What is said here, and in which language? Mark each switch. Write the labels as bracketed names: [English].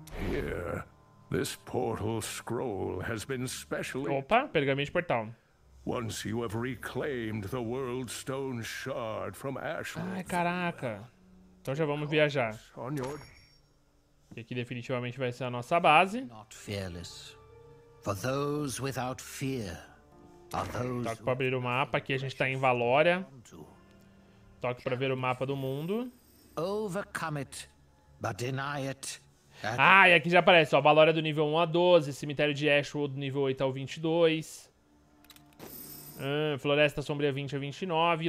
[English] Here, this portal scroll has been specially... [Portuguese] Opa, pergaminho de portal. [English] Once you have reclaimed the World Stone Shard from Ashland. [Portuguese] Ai, caraca. Então já vamos viajar. E aqui definitivamente vai ser a nossa base. [English] Not fearless. For those without fear are those. [Portuguese] Toque pra abrir o mapa. Aqui a gente tá em Valoria. Toque pra ver o mapa do mundo. [English] Overcome it, but deny it. [Portuguese] Ah, e aqui já aparece, ó. Valoria do nível 1 a 12. Cemitério de Ashwood do nível 8 ao 22. Floresta Sombria 20 a 29.